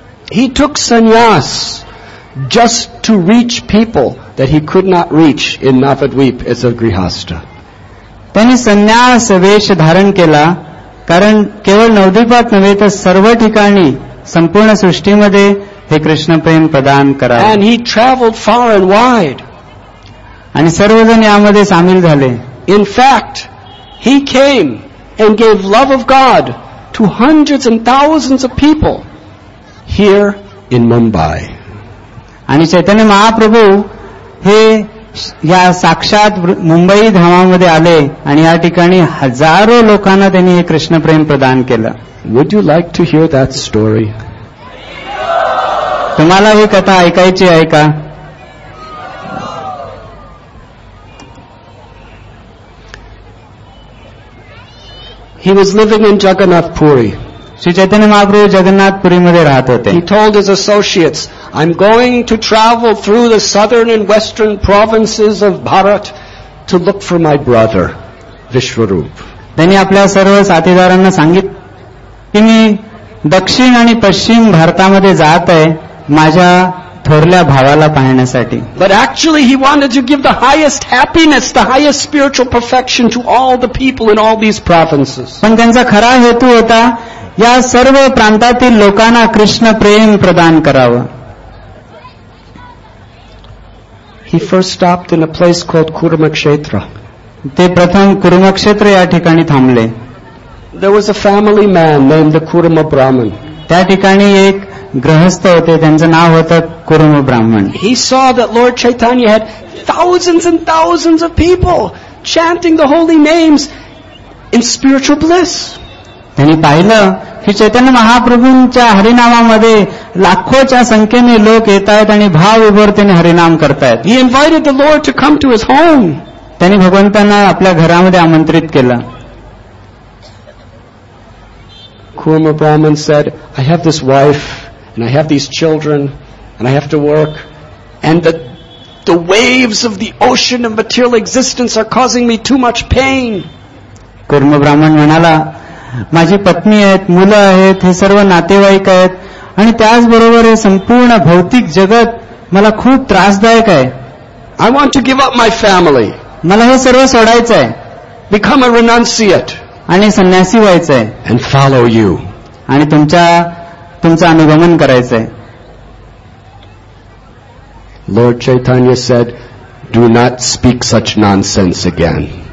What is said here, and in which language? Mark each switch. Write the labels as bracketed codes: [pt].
[en] He took sannyas just to reach people that he could not reach in Navadvip as a grihastha. [mr] Tani sannyas vesh dharan kela karan keval navadvipat navhe tar sarva thikani संपूर्ण सृष्टीमध्ये हे कृष्ण प्रेम प्रदान करा. [en] And he traveled far and wide. [mr] आणि सर्वजण यामध्ये सामील झाले. [en] In fact, he came and gave love of God to hundreds and thousands of people here in Mumbai. [mr] आणि चैतन्य महाप्रभू हे या साक्षात मुंबई धामामध्ये आले आणि या ठिकाणी हजारो लोकांना त्यांनी हे कृष्ण प्रेम प्रदान केलं. [en] Would you like to hear that story? [mr] तुम्हाला ही कथा ऐकायची आहे का? [en] He was living in Jagannath Puri. [mr] Shri Chaitanya Mahaprabhu जगन्नाथपुरीमध्ये राहत होते. [en] He told his associates, I'm going to travel through the southern and western provinces of Bharat to look for my brother, Vishwaroop. [mr] त्यांनी आपल्या सर्व साथीदारांना सांगितलं की मी दक्षिण आणि पश्चिम भारतामध्ये जात आहे माझ्या थोरल्या भावाला पाहण्यासाठी. [en] But actually he wanted to give the highest happiness, the highest spiritual perfection to all the people in all these provinces. [mr] पण त्यांचा खरा हेतू होता या सर्व प्रांतातील लोकांना कृष्ण प्रेम प्रदान करावं. [en] He first stopped in a place called Kurumakshetra. [mr] ते प्रथम कुरुमक्षेत्र या ठिकाणी थांबले. [en] There was a family man named the Kuruma Brahman. [mr] त्या ठिकाणी एक गृहस्थ होते त्यांचं नाव होतं कुरुम ब्राह्मण. [en] He saw that Lord Chaitanya had thousands and thousands of people chanting the holy names in spiritual bliss. [mr] त्यांनी पाहिलं की चैतन्य महाप्रभूंच्या हरिनामामध्ये लाखोच्या संख्येने लोक येत आहेत आणि भाव उभरतेने हरिनाम करतायत. [en] He invited the Lord to come to his home. [mr] त्यांनी भगवंतांना आपल्या घरामध्ये आमंत्रित केलं. [en] Kurma Brahman said, I have this wife and I have these children and I have to work and the waves of the ocean of material existence are causing me too much pain. [mr] Kurma Brahman manala, माझी पत्नी आहेत, मुलं आहेत, हे सर्व नातेवाईक आहेत आणि त्याचबरोबर हे संपूर्ण भौतिक जगत मला खूप त्रासदायक आहे. [en] I want to give up my family. [mr] मला हे सर्व सोडायचं आहे. [en] Become a renunciate. [mr] आणि संन्यासी व्हायचं आहे. [en] And follow you. [mr] आणि तुमचं अनुगमन करायचं आहे. [en] Lord Chaitanya said, do not speak such nonsense again.